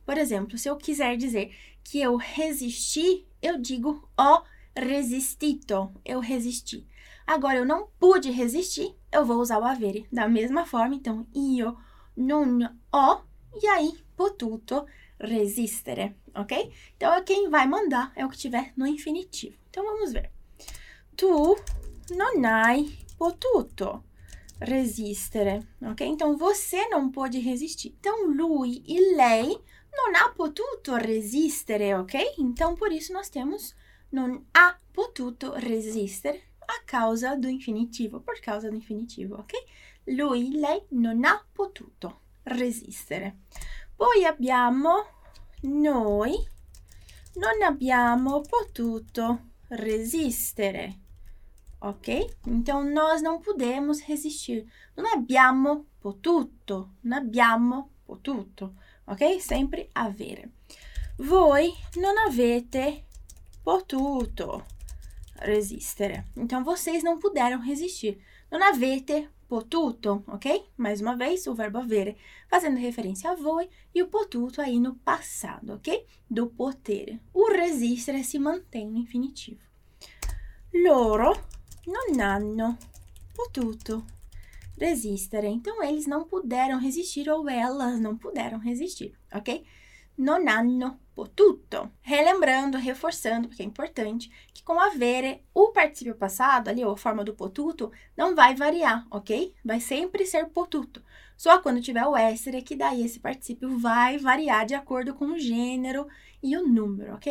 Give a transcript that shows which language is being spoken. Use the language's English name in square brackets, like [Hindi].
[Portuguese] Por exemplo, se eu quiser dizer que eu resisti, eu digo [Italian] ho resistito, [Portuguese] eu resisti. Agora, eu não pude resistir, eu vou usar o avere. Da mesma forma, então, [Italian] io non ho, [Portuguese] e aí, [Italian] potuto resistere, [Portuguese] ok? Então, quem vai mandar é o que tiver no infinitivo. Então, vamos ver. [Italian] Tu non hai potuto resistere, ok? [Portuguese] Então, você não pôde resistir. Então, [Italian] lui e lei non ha potuto resistere, [Portuguese] ok? Então, por isso nós temos [Italian] non ha potuto resistere [Portuguese] a causa do infinitivo, por causa do infinitivo, ok? [Italian] Lui, lei non ha potuto resistere. Poi abbiamo noi non abbiamo potuto resistere, ok? [Portuguese] Então, nós não podemos resistir. [Italian] Non abbiamo potuto. Ok? Sempre avere. Voi non avete potuto resistere. [Portuguese] Então, vocês não puderam resistir. [Italian] Non avete potuto, [Portuguese] ok? Mais uma vez, o verbo avere, fazendo referência a voi, e o potuto aí no passado, ok? Do potere. O resistere si mantém no infinitivo. [Italian] Loro non hanno potuto resistere. [Portuguese] Então, eles não puderam resistir ou elas não puderam resistir, ok? [Italian] Non hanno potuto. [Portuguese] Relembrando, reforçando, porque é importante, que com avere, o participio passado, ali, ou a forma do potuto, não vai variar, ok? Vai sempre ser potuto. Só quando tiver o essere, que daí esse participio vai variar de acordo com o gênero e o número, ok?